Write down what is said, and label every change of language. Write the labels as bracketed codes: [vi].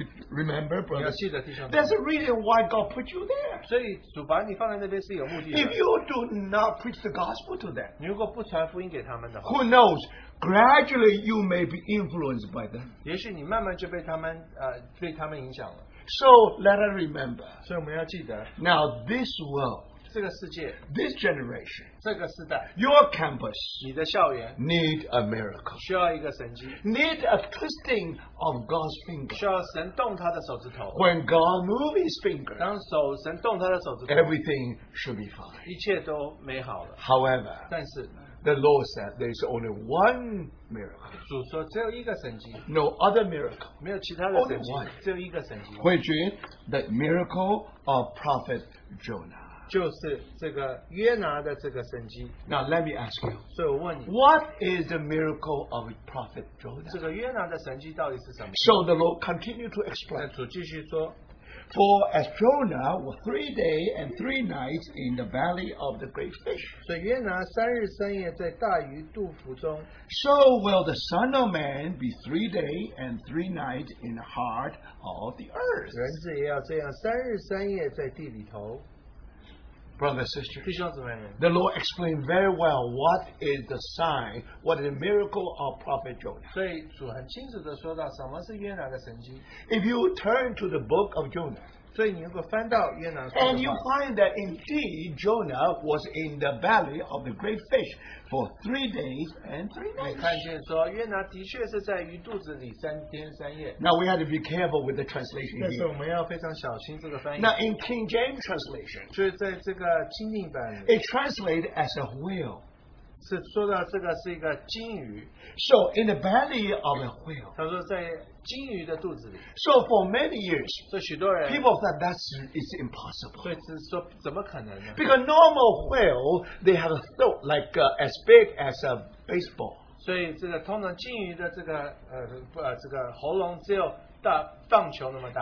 [en] Remember, brothers, there's a reason why God put you there. If you do not preach the gospel to them, who knows? Gradually, you may be influenced by them. [zh] 也许你慢慢就被他们, 被他们影响了。 [en] So let us remember. [zh] 所以我们要记得, [en] now, this world, [zh] 这个世界, [en] this generation, [zh] 这个时代, [en] your campus, [zh] 你的校园, [en] need a miracle, [zh] 需要一个神迹, [en] need a twisting of God's finger. [zh] 需要神动他的手指头, [en] when God moves his finger, [zh] 当手神动他的手指头, [en] everything should be fine. [zh] 一切都美好了。 [en] However, [zh] 但是, [en] the Lord said there is only one miracle. [zh] 主说只有一个神迹, [en] no other miracle. [zh] 没有其他的神迹, [en] only one. [zh] 只有一个神迹, [en] which is the miracle of Prophet Jonah. [zh] 就是这个约拿的这个神迹。 [en] Now let me ask you. [zh] 所以我问你, [en] what is the miracle of Prophet Jonah? [zh] 这个约拿的神迹到底是什么? [en] So the Lord continued to explain. [zh] 主继续说, [en] For as Jonah was 3 days and three nights in the belly of the great fish, [zh] 所以约拿三日三夜在大鱼肚腹中, [en] so will the Son of Man be 3 days and three nights in the heart of the earth. [zh] 人子也要这样三日三夜在地里头。 [en] Brothers and sisters, [zh] 弟兄姊妹们, [en] the Lord explained very well what is the sign, what is the miracle of Prophet Jonah. If you turn to the book of Jonah, and you find that indeed Jonah was in the belly of the great fish for 3 days and three nights. Now we have to be careful with the translation here. Now in King James translation, it translates as a whale. [zh] 是说到这个是一个鲸鱼, [en] so in the belly of a whale. [zh] 他说在鲸鱼的肚子里, [en] so for many years, [zh] 所以许多人, [en] people thought that is impossible. [zh] 所以是说怎么可能呢? [en] Because normal whale, they have a throat like as big as a baseball. [zh] 所以这个通常鲸鱼的这个喉咙只有大棒球那么大。